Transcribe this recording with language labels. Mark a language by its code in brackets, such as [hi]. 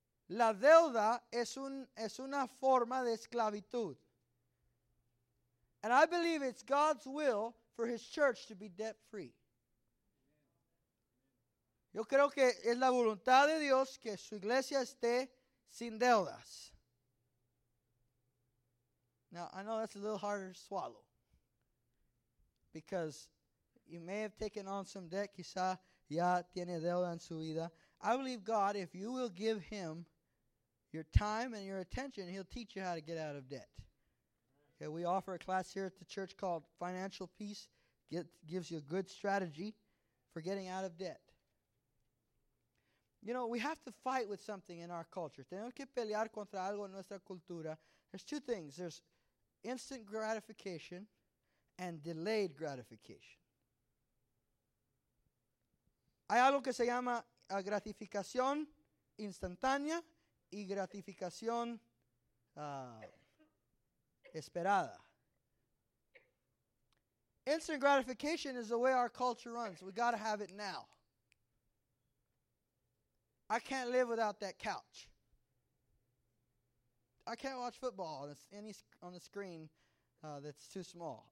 [es] La deuda es una forma de esclavitud. [en] And I believe it's God's will for his church to be debt free. [es] Yo creo que es la voluntad de Dios que su iglesia esté sin deudas. [en] Now, I know that's a little harder to swallow, because you may have taken on some debt, [es] quizá ya tiene deuda en su vida. [en] I believe God, if you will give him your time and your attention, he'll teach you how to get out of debt. Okay, we offer a class here at the church called Financial Peace. It gives you a good strategy for getting out of debt. You know, we have to fight with something in our culture. [es] Tenemos que pelear contra algo en nuestra cultura. [en] There's two things. There's instant gratification and delayed gratification. [es] Hay algo que se llama gratificación instantánea y gratificación esperada. [en] Instant gratification is the way our culture runs. We got to have it now. I can't live without that couch. I can't watch football on the screen that's too small.